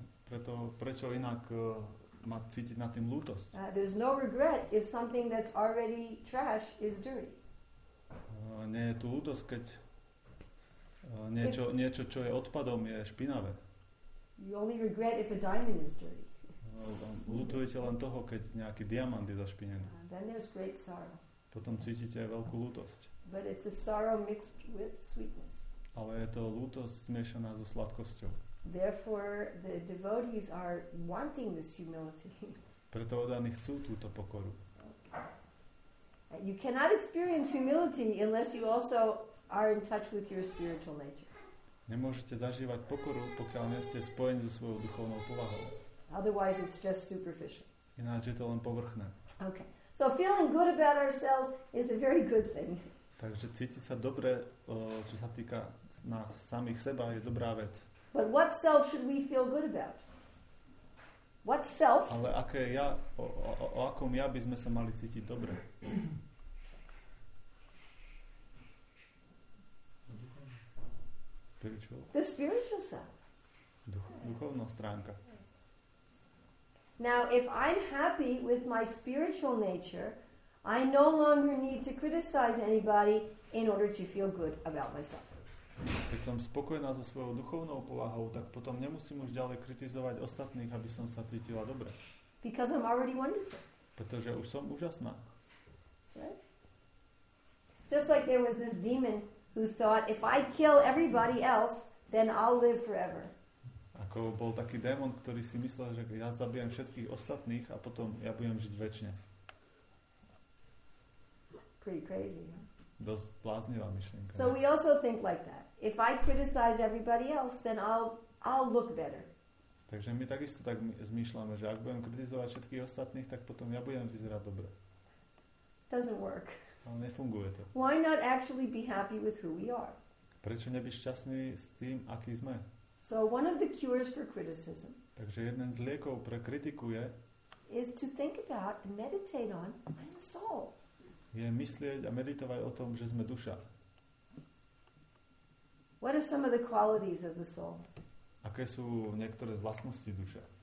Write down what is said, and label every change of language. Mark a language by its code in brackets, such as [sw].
[sk] Preto prečo inak ma cítiť na tým lútosť? [en] There's no regret if something that's already trash is dirty. [sk] Nie je tu lútosť, keď niečo, čo je odpadom, je špinavé. [en] You only regret if a diamond is dirty. [sk] Lutujete len toho, keď nejaký diamant je zašpinený. [en] Then there's great sorrow. [sk] Potom cítite aj veľkú lútosť. [en] But it's a sorrow mixed with sweetness. [sk] Ale je to lútosť zmiešaná so sladkosťou. [en] Therefore, the devotees are wanting this humility. [sk] Preto oddaní chcú túto pokoru. [en] Okay. You cannot experience humility unless you also are in touch with your spiritual nature. [sk] Nemôžete zažívať pokoru, pokiaľ nie ste spojení so svojou duchovnou povahou. [en] Otherwise, it's just superficial. [sk] Ináč je to len povrchné. [en] Okay. So feeling good about ourselves is a very good thing. [sk] Takže cítiť sa dobre, čo sa týka nás samých seba, je dobrá vec. [en] But what self should we feel good about? What self? [sk] Ale aké ja, o akom ja by sme sa mali cítiť dobre? [en] The spiritual self. [sk] Duchovná stránka. [en] Now, if I'm happy with my spiritual nature, I no longer need to criticize anybody in order to feel good about myself. [sk] Keď som spokojná so svojou duchovnou povahou, tak potom nemusím už ďalej kritizovať ostatných, aby som sa cítila dobre. [en] Because I'm already wonderful. [sk] Pretože už som úžasná. [en] Right? Just like there was this demon who thought, if I kill everybody else, then I'll live forever. [sk] Ako bol taký démon, ktorý si myslel, že ja zabijem všetkých ostatných a potom ja budem žiť večne. [en] Pretty crazy, huh? [sk] dosť bláznivá myšlienka. [en] So we also think like that. If I criticize everybody else, then I'll look better. [sk] Takže my takisto tak zmýšľame, že ak budem kritizovať všetkých ostatných, tak potom ja budem vyzerať dobre. [en] Doesn't work. [sk] Ale nefunguje to. [en] Why not actually be happy with who we are? [sk] Prečo nebyť šťastný s tým, aký sme? [en] So one of the cures for criticism. [sk] Takže jeden z liekov pre kritiku je [en] is to think about and meditate on my soul. [sk] Je myslieť a meditovať o tom, že sme duša. [en] What are some of the qualities of the soul? [sk] Aké sú niektoré z vlastností duše?